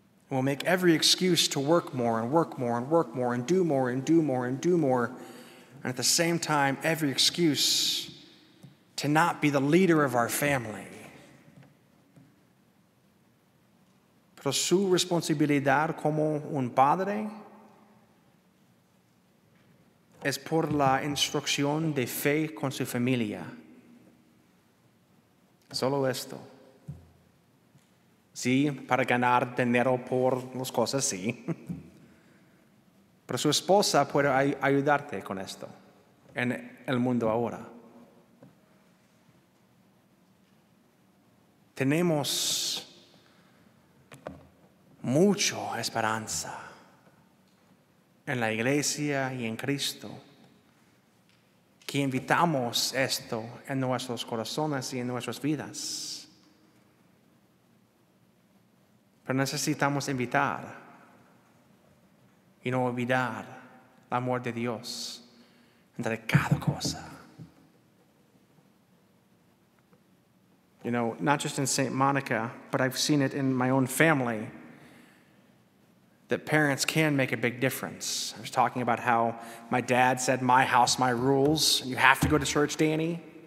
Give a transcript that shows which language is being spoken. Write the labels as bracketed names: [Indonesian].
[English] We'll make every excuse to work more and work more and work more and do more and do more and do more. And at the same time, every excuse to not be the leader of our family. [Spanish] Pero su responsabilidad como un padre es por la instrucción de fe con su familia. Solo esto. Sí, para ganar dinero por las cosas, sí. Pero su esposa puede ayudarte con esto en el mundo ahora. Tenemos mucho esperanza en la iglesia y en Cristo, que invitamos esto en nuestros corazones y en nuestras vidas. Pero necesitamos invitar y no olvidar el amor de Dios entre cada cosa. [English] You know, not just in St. Monica, but I've seen it in my own family, that parents can make a big difference. I was talking about how my dad said, "My house, my rules, and you have to go to church, Danny."